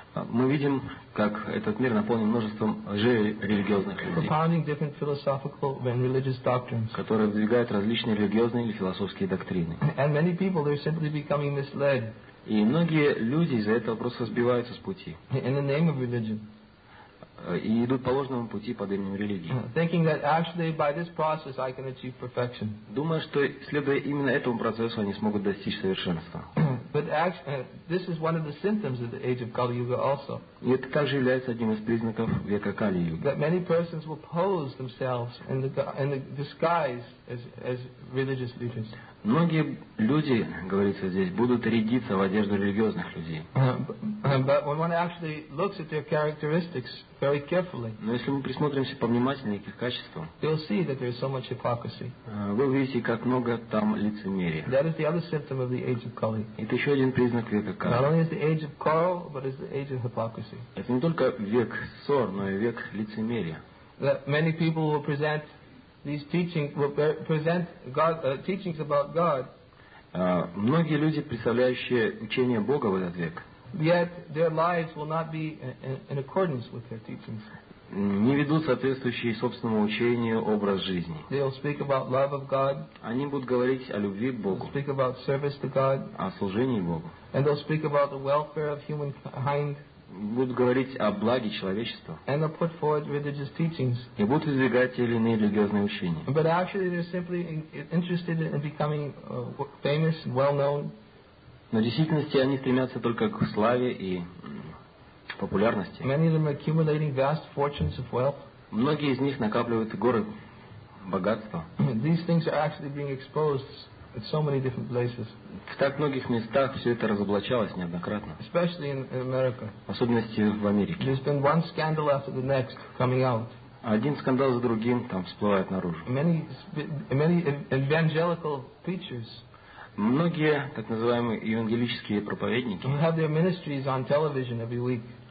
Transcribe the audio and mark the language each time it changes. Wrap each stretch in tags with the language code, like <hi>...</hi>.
<ru>Мы видим, как этот мир наполнен множеством лжерелигиозных людей,</ru> <en>propounding different philosophical and religious doctrines,</en> <ru>которые выдвигают различные религиозные или философские доктрины.</ru> <en>And many people, they're simply becoming misled.</en> <ru>И многие люди из-за этого просто сбиваются с пути.</ru> <en>In the name of religion.</en> <ru>И идут по ложному пути под именем религии.</ru> <en>Thinking that actually by this process I can achieve perfection.</en> <ru>Думая, что следуя именно этому процессу, они смогут достичь совершенства.</ru> <en>But actually, this is one of the symptoms of the age of Kali Yuga also.</en> <ru>И это также является одним из признаков века Кали Юги.</ru> <en>That many persons will pose themselves in the disguise as religious leaders.</en> <ru>Многие люди, говорится здесь, будут рядиться в одежду религиозных людей.</ru> <en>But when one actually looks at their characteristics very carefully,</en> <ru>но если мы присмотримся повнимательнее к их качествам,</ru> <en>you'll see that there is so much hypocrisy.</en> <ru>Вы увидите, как много там лицемерия.</ru> <en>That is the other symptom of the age of Kali.</en> <ru>Это еще один признак века Кали.</ru> <en>Not only is the age of Kali, but is the age of hypocrisy.</en> <ru>Это не только век ссор, но и век лицемерия.</ru> <en>That many people will present these teachings, will present teachings about God.</en> <ru>Многие люди, представляющие учение Бога в этот век,</ru> <en>yet their lives will not be in accordance with their teachings.</en> <ru>Не ведут соответствующий собственному учению образ жизни.</ru> <en>They will speak about love of God.</en> <ru>Они будут говорить о любви к Богу.</ru> <en>They'll speak about service to God.</en> <ru>О служении Богу.</ru> <en>And they'll speak about the welfare of humankind.</en> <ru>Будут говорить о благе человечества.</ru> <en>And they'll put forward religious teachings.</en> <ru>И будут выдвигать те или иные религиозные учения.</ru> <en>But actually they're simply interested in becoming famous, well-known.</en> <ru>Но в действительности они стремятся только к славе и популярности.</ru> <en>Many of them are accumulating vast fortunes of wealth.</en> <ru>Многие из них накапливают горы богатства.</ru> <en>These things are actually being exposed at so many different places.</en> <ru>В так многих местах все это разоблачалось неоднократно.</ru> <en>Especially in America.</en> <ru>В особенности в Америке.</ru> <en>There's been one scandal after the next coming out.</en> <ru>Один скандал за другим там всплывает наружу.</ru> <en>Many evangelical preachers.</en> <ru>Многие так называемые евангелические проповедники.</ru> <en>They have their ministries on television every week.</en>